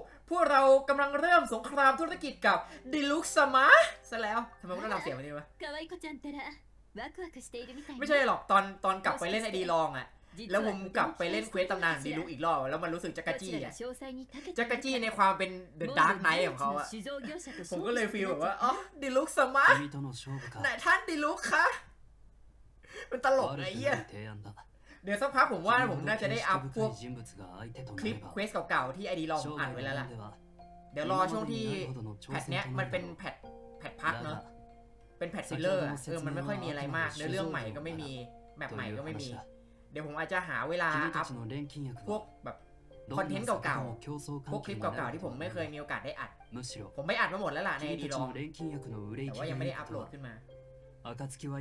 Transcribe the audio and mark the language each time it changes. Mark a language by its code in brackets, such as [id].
[th] พวกเรากำลังเริ่มสงครามธุรกิจกับดิลูกสมะ？ ซะแล้ว ทำไมพวกเราเสียงแบบนี้วะ？ [ja] かわいこちゃんたら、ワクワクしているみたい。 [th] ไม่ใช่หรอกตอนกลับไปเล่นไอดีลองอะแล้วผมกลับไปเล่นเควสตำนานดิลูกอีกรอบแล้วมันรู้สึกจักรจี้อ่ะจักรจี้ในความเป็นเดอะดาร์กไนท์ของเขาอ่ะผมก็เลยฟีลแบบว่าอ๋อดิลูกสมาร์ทไหนท่านดิลูกคะ มันตลกไอ้เหี้ยเดี๋ยวสักพักผมว่าผมน่าจะได้อัพพวกคลิปเควสเก่าๆที่ไอดีลองอ่านไว้แล้วล่ะเดี๋ยวรอช่วงที่แพทเนี้ยมันเป็นแพทพักเนาะเป็นแพทซิลเลอร์มันไม่ค่อยมีอะไรมากเนื้อเรื่องใหม่ก็ไม่มีแมปใหม่ก็ไม่มีเดี๋ยวผมอาจจะหาเวลาอัพพวกแบบคอนเทนต์เก่าๆพวกคลิปเก่าๆที่ผมไม่เคยมีโอกาสได้อัดผมไม่อัดมาหมดแล้วล่ะในดีรองแต่ว่ายังไม่ได้อัพโหลดขึ้นมาก